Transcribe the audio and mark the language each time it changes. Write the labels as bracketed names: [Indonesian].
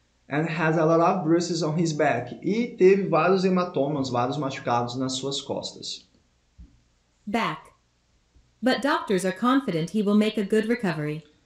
[English] And has a lot of bruises on his back. [Portuguese] E teve vários hematomas, vários machucados nas suas costas. [English] Back. But doctors are confident he will make a good recovery.